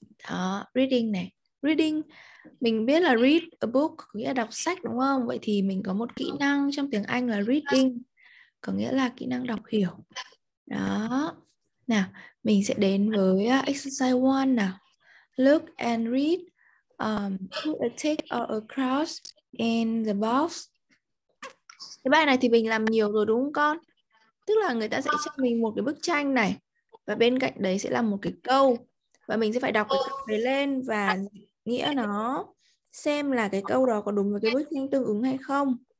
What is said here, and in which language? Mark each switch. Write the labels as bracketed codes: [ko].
[vi] Đó, reading này. Reading, mình biết là [en] read a book, [vi] có nghĩa là đọc sách đúng không? Vậy thì mình có một kỹ năng trong tiếng Anh là reading, có nghĩa là kỹ năng đọc hiểu. Đó, nào, mình sẽ đến với exercise 1 nào. [en] Look and read, put a tick or a cross in the box. [vi] Cái bài này thì mình làm nhiều rồi đúng không con? Tức là người ta sẽ cho mình một cái bức tranh này, và bên cạnh đấy sẽ là một cái câu. Và mình sẽ phải đọc cái câu đấy lên và nghĩa nó, xem là cái câu đó có đúng với cái bức tranh tương ứng hay không.